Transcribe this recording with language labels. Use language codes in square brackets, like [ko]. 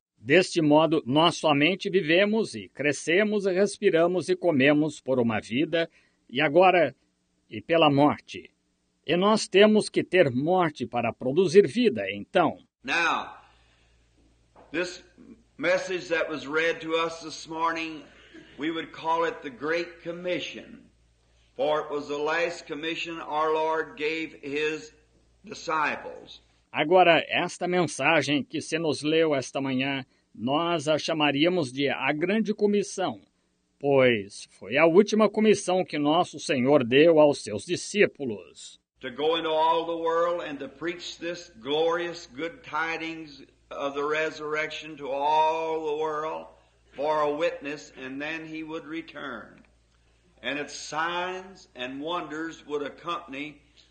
[pt] Deste modo, nós somente vivemos e crescemos e respiramos e comemos por uma vida, e agora, e pela morte. E nós temos que ter morte para produzir vida, então. [en] Now, this message that was read to us this morning, we would call it the Great Commission, for it was the last commission our Lord gave his disciples. [pt] Agora, esta mensagem que se nos leu esta manhã, nós a chamaríamos de a Grande Comissão, pois foi a última comissão que nosso Senhor deu aos seus discípulos. [en] To go into all the world and to preach this glorious good tidings of the resurrection to all the world, for a witness, and then he would return. And its signs and wonders would accompany